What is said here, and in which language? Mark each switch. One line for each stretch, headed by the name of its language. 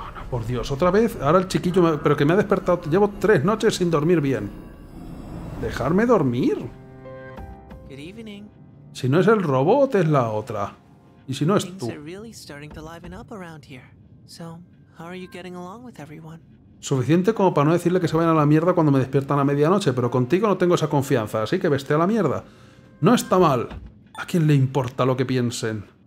Spanish: Por Dios, ¿otra vez? Ahora el chiquillo me... Pero que me ha despertado. Llevo tres noches sin dormir bien. ¿Dejarme dormir?
English: Good evening.
Spanish: Si no es el robot, es la otra. Y si no es tú.
English: Really starting to liven up around here. So, how are you getting along with everyone?
Spanish: Suficiente como para no decirle que se vayan a la mierda cuando me despiertan a medianoche, pero contigo no tengo esa confianza, así que veste a la mierda. No está mal. ¿A quién le importa lo que piensen?